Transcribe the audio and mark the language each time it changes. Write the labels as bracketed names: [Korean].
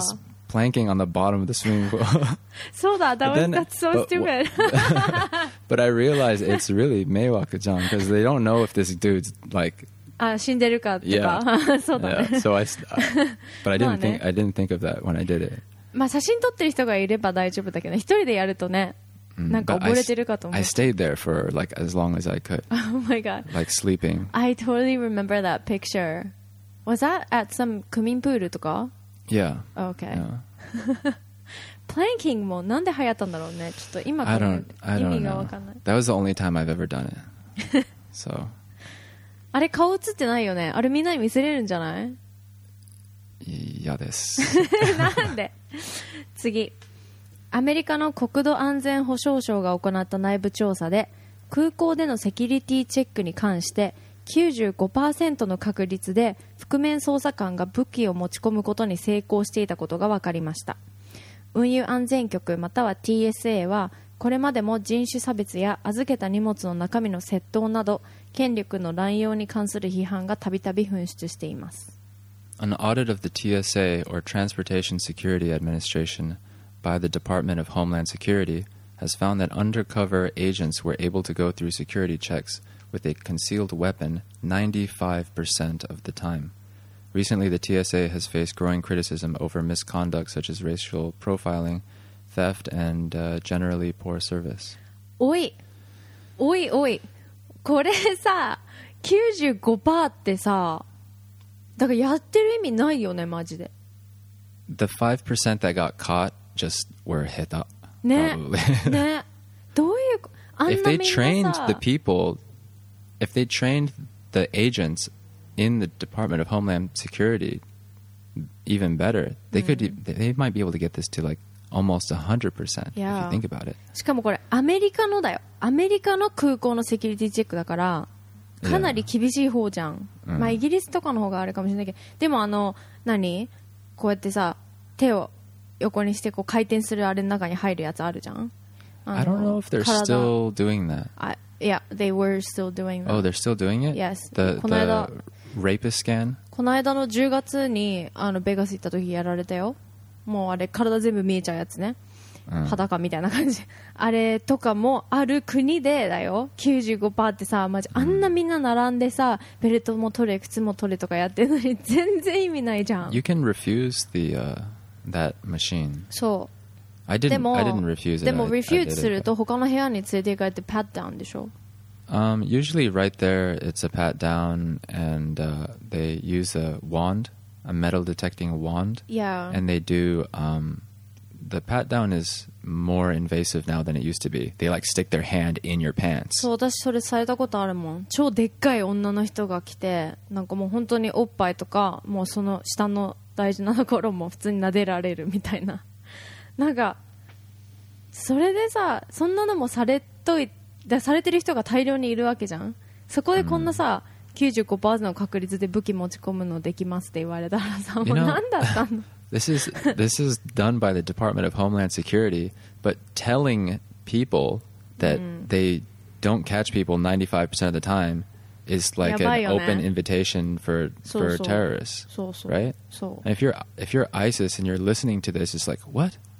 [English] So I was planking on the bottom of the swimming pool. [Japanese] そうだ。 [English] That's so stupid. But I realize it's really [Japanese] 迷惑じゃん [English] because they don't know if this dude's like. [Japanese] Ah, 死んでるかとか。 [English] Yeah. [Japanese] そうだね。 [English] Yeah. So I. But I didn't think. I didn't think of that when I did it. [Japanese] まあ写真撮ってる人がいれば大丈夫だけど、一人でやるとね、なんか溺れてるかと思う。 [English] I stayed there for like as long as I could. Oh my god. Like sleeping. I totally remember that picture. Was that at some [Japanese] 区民プールとか？ [English] Yeah. Okay. Yeah. [Japanese] planking もなんで流行ったんだろうね。ちょっと今から意味が分かんない。 [English] That was the only time I've ever done it. So. [Japanese] あれ顔映ってないよね。あれみんなに見せれるんじゃない？嫌です。なんで？次。アメリカの国土安全保障省が行った内部調査で、空港でのセキュリティチェックに関して、95% の確率で覆面捜査官が武器を持ち込むことに成功していたことが分かりました。運輸安全局または TSA はこれまでも人種差別や預けた荷物の中身の窃盗など権力の乱用に関する批判がたびたび噴出しています。 [English] An audit of the TSA or Transportation Security Administration by the Department of Homeland Security has found that undercover agents were able to go through security checks with a concealed weapon 95% of the time. Recently, the TSA has faced growing criticism over misconduct such as racial profiling, theft, and generally poor service. Oi! Oi, oi! [Japanese] これさ、95% ってさ、だからやってる意味ないよね、マジで。 [English] The 5% that got caught just were hit up. [Japanese] ね、 [English] probably. [Japanese] ね。どういう、あんな [English] If they trained the people... If they trained the agents in the Department of Homeland Security even better, they,、うん、could, they might be able to get this to like almost 100%、yeah. if you think about it. [Japanese] しかもこれアメリカのだよ。アメリカの空港のセキュリティチェックだからかなり厳しい方じゃん。 [English] Yeah. [Japanese] まあイギリスとかの方があるかもしれないけど、うん、でもあの何こうやってさ手を横にしてこう回転するあれの中に入るやつあるじゃん。 [English] I don't know if they're still doing that. Yeah, they were still doing that. Oh, they're still doing it? Yes. The rapist scan? [Japanese] この間の10月にあのベガス行った時やられたよ。もうあれ体全部見えちゃうやつね。裸みたいな感じ。あれとかもある国でだよ。95%ってさ、マジあんなみんな並んでさ、ベルトも取れ、靴も取れとかやってるのに全然意味ないじゃん。 [English] You can refuse the, that machine. [Japanese] そう。 [English] I didn't refuse it. [Japanese] でも refuse すると他の部屋に連れて行かれてpat downでしょ。 [English] Usually right there it's a pat down and they use a wand, a metal detecting wand. Yeah. And they do the pat down is more invasive now than it used to be. They like stick their hand in your pants. [Japanese] そう、私それされたことあるもん。超でっかい女の人が来て、なんかもう本当におっぱいとかもうその下の大事なところも普通に撫でられるみたいな。なんかそれでさ、そんなのもされといてされてる人が大量にいるわけじゃん。そこでこんなさ、95% の確率で武器持ち込むのできますって言われたらさ、もう何だったの？ [English] You know, this is done by the Department of Homeland Security, but telling people that they don't catch people 95% of the time is like an open invitation for terrorists, right? And if you're ISIS and you're listening to this, it's like what?